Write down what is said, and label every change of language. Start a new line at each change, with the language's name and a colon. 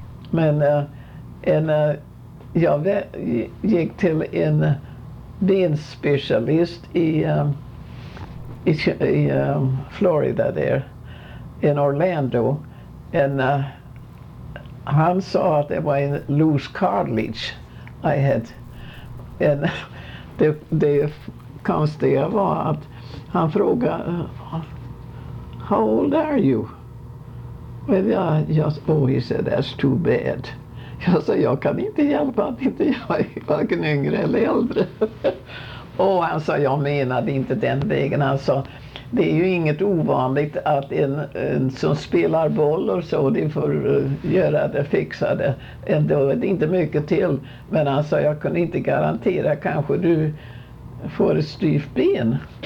Swedish: Men jag gick till en benspecialist i Florida där, i Orlando. Han sa att det var en
English: loose cartilage I had.
Swedish: Det konstiga var att han frågade,
English: how old are you? Well, yeah, just, oh, he said, that's too bad.
Swedish: Jag sa, jag kan inte hjälpa att inte jag är varken yngre eller äldre. Och han sa, jag menade inte den vägen. Han sa, det är ju inget ovanligt att en som spelar boll och så, det får göra det, fixa det. Ändå är det inte mycket till. Men han sa, jag kunde inte garantera, kanske du får ett styvt ben.